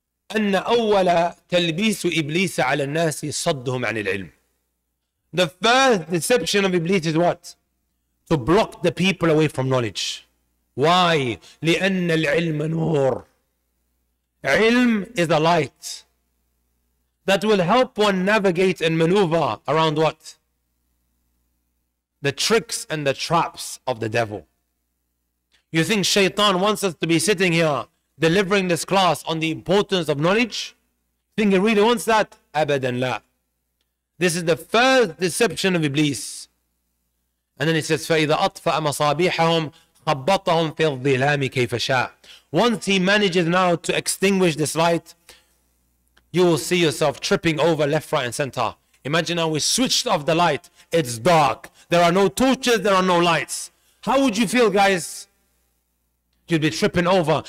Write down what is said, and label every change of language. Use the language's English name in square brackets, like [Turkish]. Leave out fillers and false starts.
[Arabic] أن أول تلبيس إبليس على الناس صدهم عن العلم. [English] The first deception of Iblis is what? To block the people away from knowledge. Why? [Arabic] لِأَنَّ الْعِلْمَ نُورٌ. [English] Ilm is a light that will help one navigate and maneuver around what? The tricks and the traps of the devil. You think Shaitan wants us to be sitting here delivering this class on the importance of knowledge? Think he really wants that? [Arabic] أَبَدًا لَا. [English] This is the first deception of Iblis. And then it says, [Arabic] فَإِذَا أَطْفَأَ مَصَابِيحَهُمْ خَبَّطَهُمْ فِي الظِّلَامِ كَيْفَ شَاءَ. [English] Once he manages now to extinguish this light, you will see yourself tripping over left, right, and center. Imagine now we switched off the light. It's dark. There are no torches. There are no lights. How would you feel, guys? You'd be tripping over.